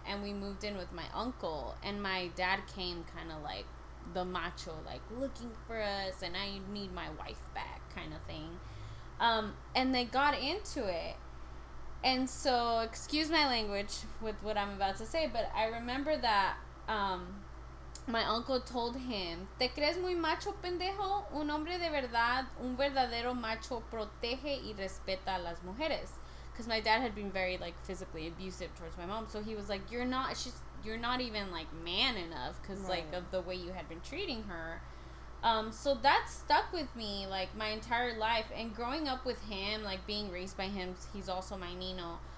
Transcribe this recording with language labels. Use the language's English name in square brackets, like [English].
[English] And we moved in with my uncle. And my dad came kind of, like, the macho, like, looking for us. And I need my wife back kind of thing. And they got into it. And so, excuse my language with what I'm about to say. But I remember that my uncle told him, [Spanish] ¿Te crees muy macho, pendejo? Un hombre de verdad, un verdadero macho, protege y respeta a las mujeres. [English] Because my dad had been very, like, physically abusive towards my mom. So he was like, you're not even, like, man enough because, right. like, of the way you had been treating her. So that stuck with me, like, my entire life. And growing up with him, like, being raised by him, he's also my Nino.